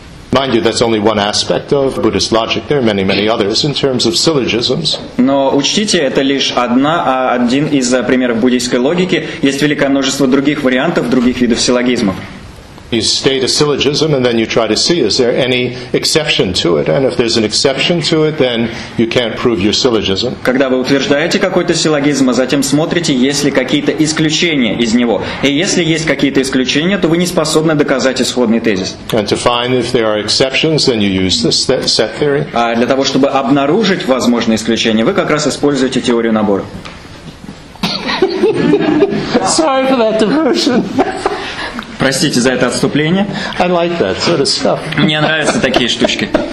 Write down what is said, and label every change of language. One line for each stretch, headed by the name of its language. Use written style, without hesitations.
English: Mind you, that's only one aspect of Buddhist logic. There are many, many others in terms of syllogisms.
Russian: Но учтите, это лишь один из примеров буддийской логики. Есть великое множество других вариантов, других видов силлогизмов.
English: You state a syllogism and then you try to see is there any exception to it, and if there's an exception to it, then you can't prove your syllogism.
Russian: Когда вы утверждаете какой-то силлогизм, а затем смотрите, есть ли какие-то исключения из него. И если есть какие-то исключения, то вы не способны доказать исходный тезис.
English: And to find if there are exceptions, then you use the set theory.
Russian: А для того, чтобы обнаружить возможные исключения, вы как раз используете теорию набора.
English: Sorry for that diversion.
Russian: Простите за это отступление.
English: I like that sort of stuff.
Russian: Мне нравятся такие штучки.